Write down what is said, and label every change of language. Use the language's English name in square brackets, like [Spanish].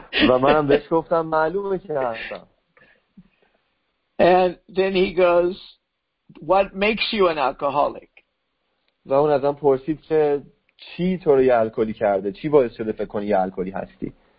[Persian] و منم بهش گفتم معلومه که هستم. [English] And then he goes, what makes you an alcoholic? [Persian] و اون ازم پرسید که چی تو رو یه الکلی کرده؟ چی باعث شده فکر کنی یه الکلی هستی؟